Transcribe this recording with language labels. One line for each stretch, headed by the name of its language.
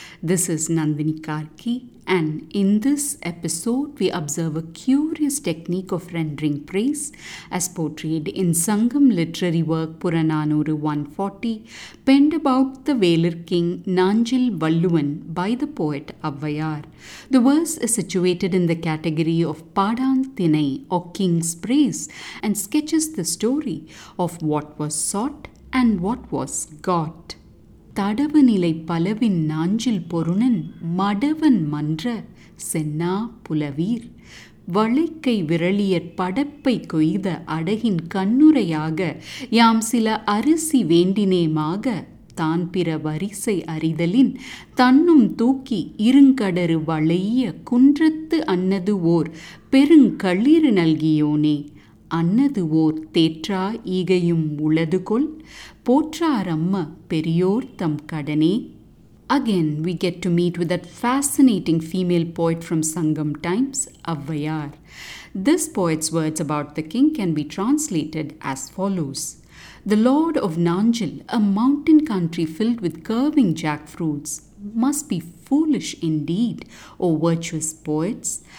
English: This is Nandini Karki, and in this episode we observe a curious technique of rendering praise as portrayed in Sangam literary work Puranaanooru 140, penned about the Velir King Naanjil Valluvan by the poet Avvaiyaar. The verse is situated in the category of Paadaan Thinai or King's Praise and sketches the story of what was sought and what was got.
Tamil: தடவு நிலை பலவின் நாஞ்சில் பொருணன் மடவன் மன்ற சென்னா புலவீர் வளைக்கை விரலியற் படப்பை கொய்த அடகின் கண்ணுரையாக யாம் சில அரிசி வேண்டினேமாக தான் பிற வரிசை அறிதலின் தன்னும் தூக்கி இருங்கடரு வளைய குன்றத்து அன்னது ஓர் பெருங்களிறு நல்கியோனே அன்னது ஓர் தேற்றா ஈகையும் உளதுகொள் போற்றாரம்ம பெரியோர் தம் கடனே.
English: Again, we get to meet with that fascinating female poet from Sangam times, Avvaiyaar. This poet's words about the king can be translated as follows. The lord of Naanjil, a mountain country filled with curving jackfruits, must be foolish indeed, O virtuous poets.